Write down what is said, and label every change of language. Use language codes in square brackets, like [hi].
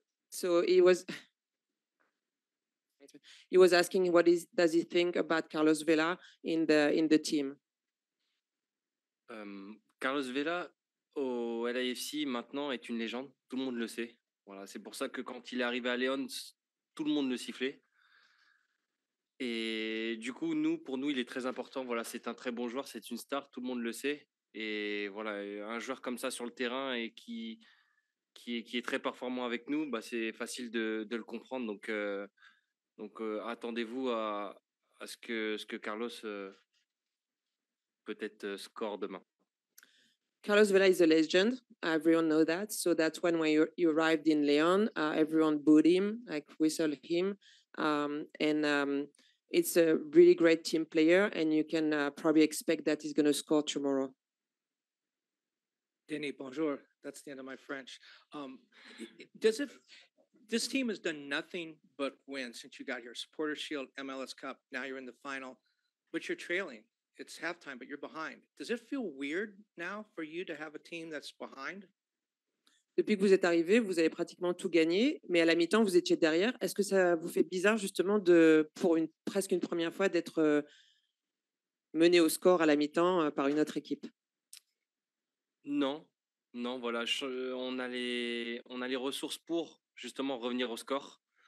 [en] So he was asking does he think about Carlos Vela in the team? [fr] Carlos Vela au LAFC maintenant est une légende, tout le monde le sait. Voilà, c'est pour ça que quand il est arrivé à León, tout le monde le sifflait. Et du coup, pour nous, il est très important. Voilà, c'est un très bon joueur, c'est une star, tout le monde le sait. Et voilà, un joueur comme ça sur le terrain et qui est très performant avec nous, bah c'est facile de le comprendre. Donc, attendez-vous à ce que Carlos peut-être score demain. [en] Carlos Vela is a legend. Everyone knows that. So that's when you arrived in León, everyone booed him, like whistled him. It's a really great team player, and you can probably expect that he's going to score tomorrow. Denis, bonjour. That's the end of my French. This team has done nothing but win since you got here. Supporters Shield, MLS Cup, now you're in the final, but you're trailing. It's halftime, but you're behind. Does it feel weird now for you to have a team that's behind? [fr] Depuis que vous êtes arrivé, vous avez pratiquement tout gagné, mais à la mi-temps, vous étiez derrière. Est-ce que ça vous fait bizarre, justement, pour presque une première fois, d'être mené au score à la mi-temps par une autre équipe? Non, voilà. On a les ressources pour, justement, revenir au score.